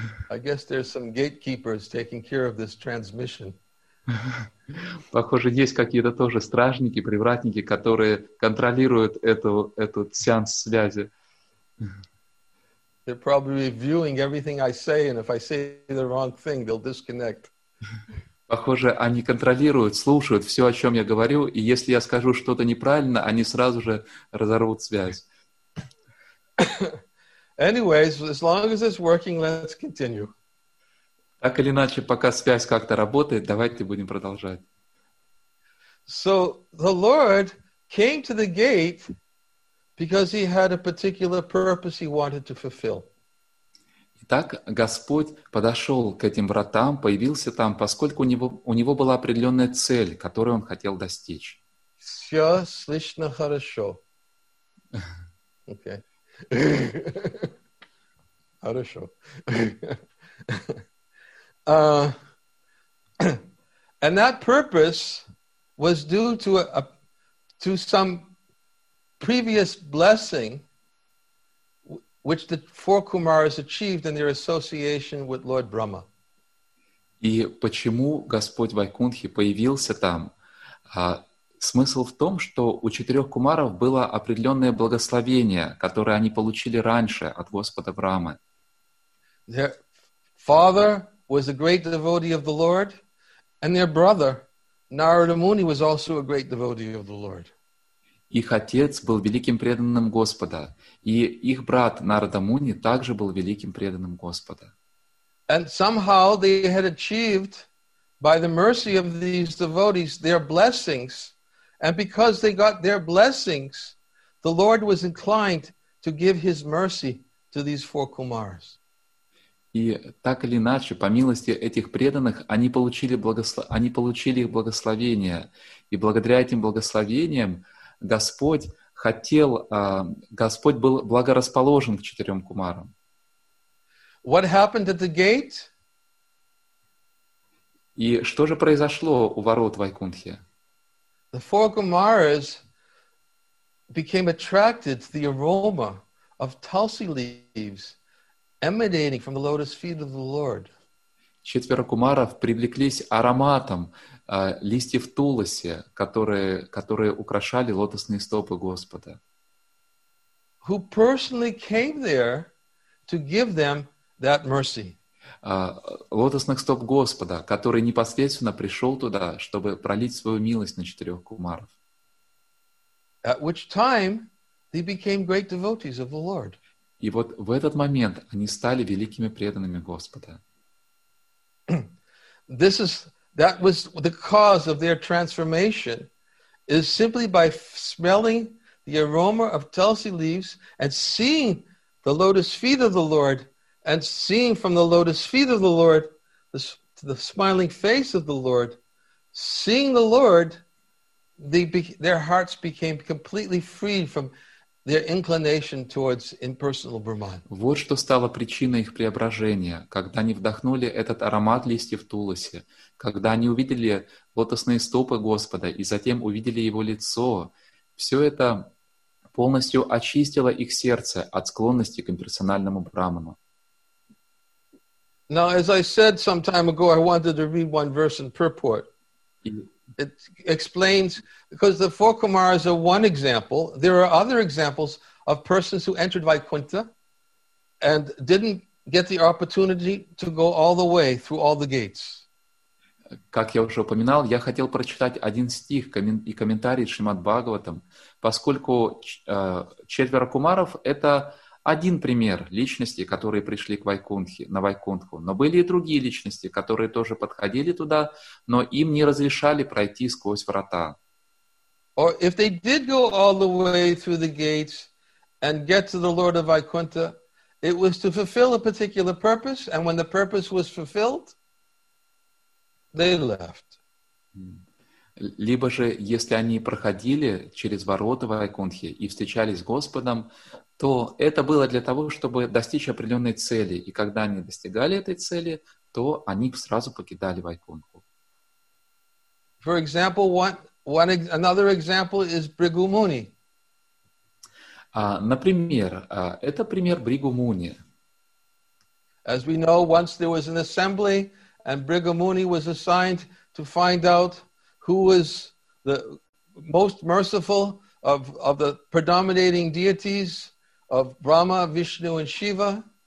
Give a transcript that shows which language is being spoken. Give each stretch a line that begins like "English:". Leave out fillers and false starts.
English: I guess there's some gatekeepers taking care of this transmission.
Russian: Похоже, есть какие-то тоже стражники, привратники, которые контролируют этот сеанс связи.
English: They're probably reviewing everything I say, and if I say the wrong thing, they'll disconnect.
Russian: Похоже, они контролируют, слушают все, о чем я говорю, и если я скажу что-то неправильно, они сразу же разорвут связь.
English: Anyways, as long as it's working, let's continue.
Russian: Так или иначе, пока связь как-то работает, давайте будем продолжать.
English: So the Lord came to the gate because he had a particular purpose he wanted to fulfill.
Russian: Так Господь подошел к этим вратам, появился там, поскольку у него была определенная цель, которую он хотел достичь. Все слышно хорошо. Okay. Хорошо.
English: And that purpose was due to to some previous blessing which the four Kumaras achieved in their association with Lord Brahma.
Russian: И почему Господь Вайкунтхи появился там? Смысл в том, что у четырех кумаров было определенное благословение, которое они получили раньше от Господа Брамы.
English: Their father was a great devotee of the Lord, and their brother, Narada Muni, was also a great devotee of the Lord.
Russian: Их отец был великим преданным Господа, и их брат Нарада Муни также был великим преданным Господа.
English: And somehow they had achieved, by the mercy of these devotees, their blessings. And because they got their blessings, the Lord was inclined to give his mercy to these four kumaras.
Russian: И так или иначе, по милости этих преданных, они получили их благословение. И благодаря этим благословениям Господь хотел, Господь был благорасположен к четырем кумарам.
English: What happened at the gate?
Russian: И что же произошло у ворот Вайкунтхи?
English: The four kumaras became attracted to the aroma of tulsi leaves emanating from the lotus feet of the Lord.
Russian: Четверо кумаров привлеклись ароматом листьев туласи, которые украшали лотосные стопы Господа.
English: Who personally came there to give them that mercy?
Russian: Лотосных стоп Господа, который непосредственно пришел туда, чтобы пролить свою милость на четырех кумаров.
English: At which time they became great devotees of the Lord.
Russian: И вот в этот момент они стали великими преданными Господа.
English: This is, that was the cause of their transformation, is simply by smelling the aroma of tulsi leaves and seeing the lotus feet of the Lord, and seeing from the lotus feet of the Lord the smiling face of the Lord, seeing the Lord, their hearts became completely freed from their inclination towards impersonal Brahman.
Russian: Вот что стало причиной их преображения, когда они вдохнули этот аромат листьев туласи, когда они увидели лотосные стопы Господа и затем увидели его лицо. Все это полностью очистило их сердце от склонности к имперсональному Брахману.
English: Now, as I said some time ago, I wanted to read one verse in purport. It explains, because the four kumaras are one example, there are other examples of persons who entered Vaikuntha and didn't get the opportunity to go all the way through all the gates.
Russian: Как я уже упоминал, я хотел прочитать один стих и комментарий Шримад Бхагаватам, поскольку четверо кумаров — это один пример личности, которые пришли к Вайкунтхе, на Вайкунтху, но были и другие личности, которые тоже подходили туда, но им не разрешали пройти сквозь врата.
English: Or if they did go all the way through the gates and get to the Lord of Vaikuntha, it was to fulfill a particular purpose, and when the purpose was fulfilled, they left.
Russian: Либо же, если они проходили через ворота Вайкунтхи и встречались с Господом, то это было для того, чтобы достичь определенной цели. И когда они достигали этой цели, то они сразу покидали Вайкунтху.
English: For example, another example is Бригу Муни.
Russian: Например, это пример Бригу Муни.
English: As we know, once there was an assembly, and Бригу Муни was assigned to find out who was the most merciful of the predominating deities of Brahma, Vishnu and Shiva.